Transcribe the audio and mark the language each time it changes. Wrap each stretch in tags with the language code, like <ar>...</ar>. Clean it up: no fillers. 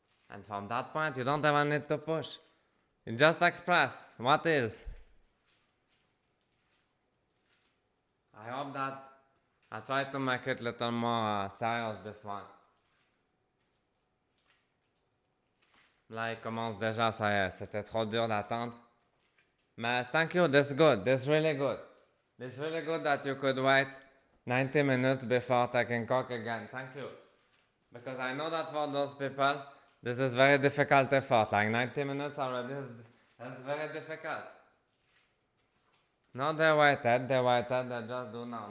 <en>And from that point, you don't even need to push. You just express what is. I hope that I try to make it a little more serious, this one.</en> <fr>Là, il commence déjà, ça y est, c'était trop dur d'attendre.</fr> <en>Mais thank you, this is good, this is really good. This is really good that you could wait 90 minutes before taking coke again, thank you. Because I know that for those people, this is very difficult effort. Like 90 minutes already, is very difficult. No, they waited, they just do now.</en>